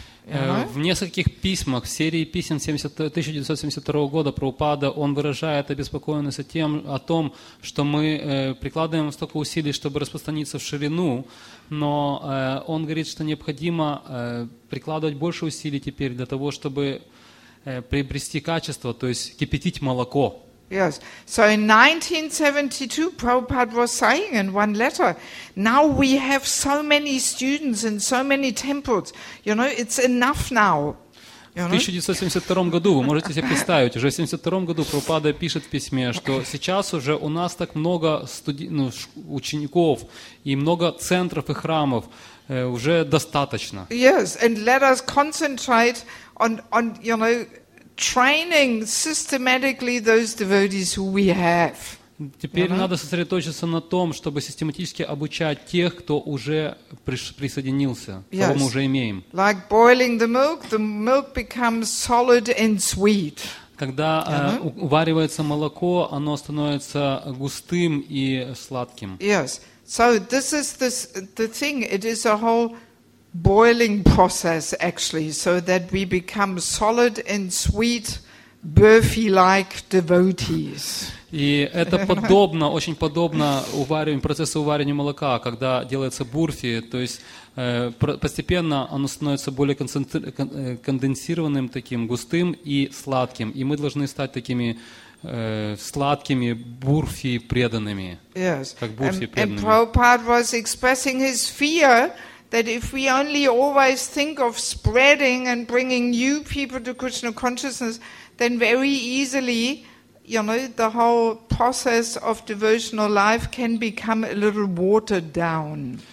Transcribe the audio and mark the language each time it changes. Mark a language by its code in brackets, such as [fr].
[ru] В нескольких письмах, в серии писем 1972 года Прабхупада, он выражает обеспокоенность о том, что мы прикладываем столько усилий, чтобы распространиться в ширину, но он говорит, что необходимо прикладывать больше усилий теперь для того, чтобы приобрести качество, то есть кипятить молоко. [en] Yes. So in 1972, Prabhupada was saying in one letter, now we have so many students in so many temples. You know, it's enough now. [ru] В 1972 году, вы можете себе представить, уже в 1972 году Прабхупада пишет в письме, что сейчас уже у нас так много учеников и много центров и храмов, уже достаточно. [en] Yes, and let us concentrate on you know, training systematically those devotees who we have. [ru] Теперь uh-huh. надо сосредоточиться на том, чтобы систематически обучать тех, кто уже присоединился, [en] yes. [ru] кого мы уже имеем. [en] Like boiling the milk becomes solid and sweet. [ru] Когда uh-huh. Уваривается молоко, оно становится густым и сладким. [en] Yes. So this is the thing. It is a whole boiling process, actually, so that we become solid and sweet, burfi-like devotees. [ru] И это подобно, очень подобно увариванию, процессу уваривания молока, когда делается бурфи, то есть постепенно оно становится более конденсированным таким, густым и сладким. И мы должны стать такими сладкими бурфи-преданными. [en] Yes. [ru] Как бурфи-преданными. [en] And Prabhupada was expressing his fear that if we only always think of spreading and bringing new people to Krishna consciousness, then very easily, you know, the whole process of devotional life can become a little watered down.